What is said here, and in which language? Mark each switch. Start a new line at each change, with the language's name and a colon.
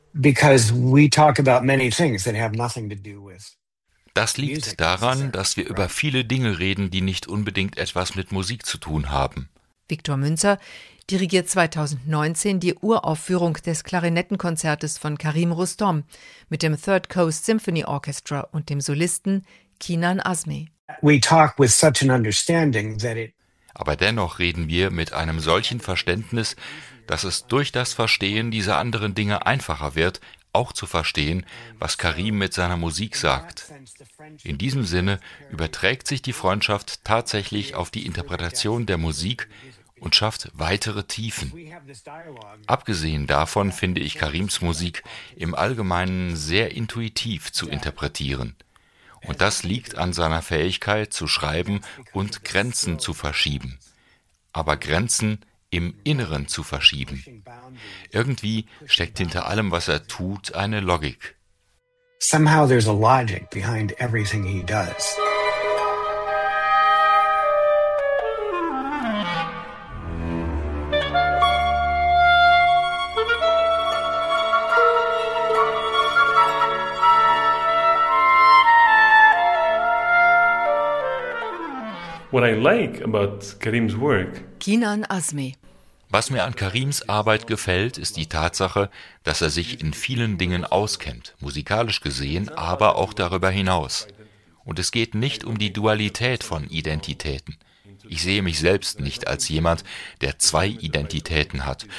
German: Das liegt daran, dass wir über viele Dinge reden, die nicht unbedingt etwas mit Musik zu tun haben. Viktor Münzer dirigiert 2019 die Uraufführung des Klarinettenkonzertes von Karim Rustom mit dem Third Coast Symphony Orchestra und dem Solisten Kinan Azmi.
English: We talk with such an understanding that it.
German: Aber dennoch reden wir mit einem solchen Verständnis, dass es durch das Verstehen dieser anderen Dinge einfacher wird, auch zu verstehen, was Karim mit seiner Musik sagt. In diesem Sinne überträgt sich die Freundschaft tatsächlich auf die Interpretation der Musik und schafft weitere Tiefen. Abgesehen davon finde ich Karims Musik im Allgemeinen sehr intuitiv zu interpretieren. Und das liegt an seiner Fähigkeit zu schreiben und Grenzen zu verschieben. Aber Grenzen im Inneren zu verschieben. Irgendwie steckt hinter allem, was er tut, eine Logik.
English: Somehow there's a logic behind everything he does. What I like about Karim's work.
German: Kinan Azmi. Was mir an Karims Arbeit gefällt, ist die Tatsache, dass er sich in vielen Dingen auskennt, musikalisch gesehen, aber auch darüber hinaus. Und es geht nicht um die Dualität von Identitäten. Ich sehe mich selbst nicht als jemand, der zwei Identitäten hat.